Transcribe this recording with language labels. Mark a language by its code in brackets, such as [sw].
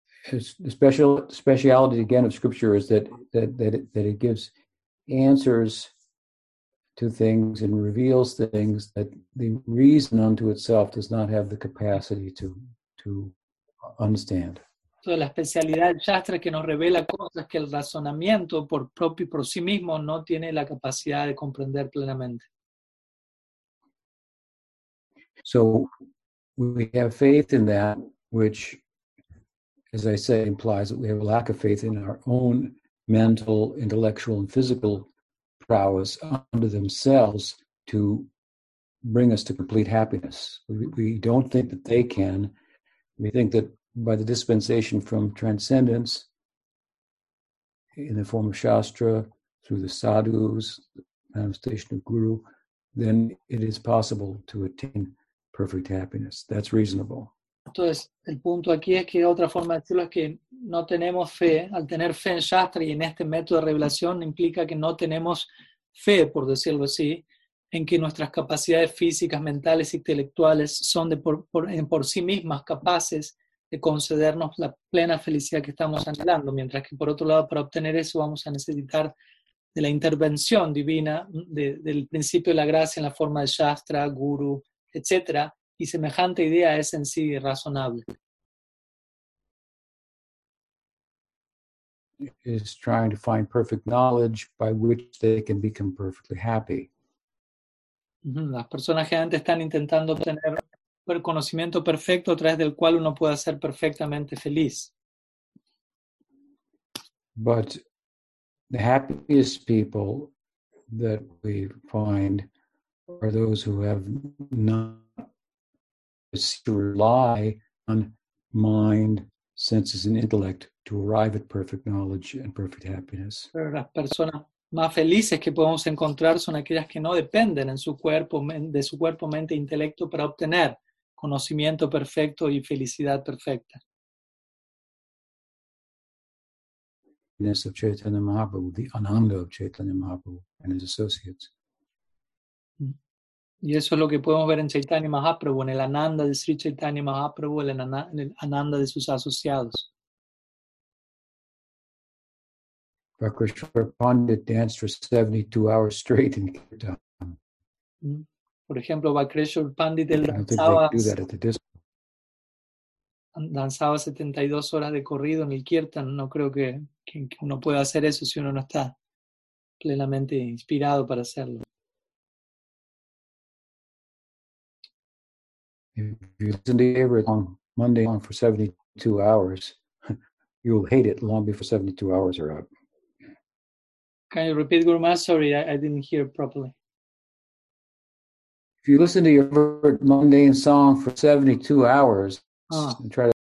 [en] The speciality again of scripture is that it gives answers to things and reveals things that the reason unto itself does not have the capacity to understand. [es] So la especialidad del Shastra que nos revela cosas que el razonamiento por propio por sí mismo no tiene la capacidad de comprender plenamente. [en] So we have faith in that, which, as I say, implies that we have a lack of faith in our own mental, intellectual, and physical prowess unto themselves to bring us to complete happiness. We don't think that they can. We think that by the dispensation from transcendence in the form of Shastra, through the sadhus, the manifestation of Guru, then it is possible to attain perfect happiness. That's reasonable. [es] Entonces, el punto aquí es que otra forma de decirlo es que no tenemos fe. Al tener fe en Shastra y en este método de revelación implica que no tenemos fe, por decirlo así, en que nuestras capacidades físicas, mentales, intelectuales son de por sí mismas capaces de concedernos la plena felicidad que estamos anhelando. Mientras que, por otro lado, para obtener eso vamos a necesitar de la intervención divina, del principio de la gracia en la forma de Shastra, Guru, etc., y semejante idea es en sí razonable. [en] Is trying to find perfect knowledge by which they can become perfectly happy. [es] Las personas generalmente están intentando obtener el conocimiento perfecto a través del cual uno pueda ser perfectamente feliz. [en] But the happiest people that we find are those who have not to rely on mind, senses, and intellect to arrive at perfect knowledge and perfect happiness. [es] Pero las personas más felices que podemos encontrar son aquellas que no dependen en su cuerpo, de su cuerpo, mente e intelecto para obtener conocimiento perfecto y felicidad perfecta. [en] Happiness of Chaitanya Mahaprabhu, the ananda of Chaitanya Mahaprabhu and his associates. [es] Y eso es lo que podemos ver en Chaitanya Mahaprabhu, en el Ananda de Sri Chaitanya Mahaprabhu, en el Ananda de sus asociados. [en] Vakrishwar Pandit danced for 72 hours straight in Kirtan. [es] Por ejemplo, Vakrishwar Pandit danzaba 72 horas de corrido en el Kirtan. No creo que uno pueda hacer eso si uno no está plenamente inspirado para hacerlo. [en] If you listen to Gabriel on Monday on for 72 hours, you will hate it long before 72 hours are up. Can you repeat, Guru Maharaj? Sorry, I didn't hear properly. If you listen to your mundane song for 72 hours and try to...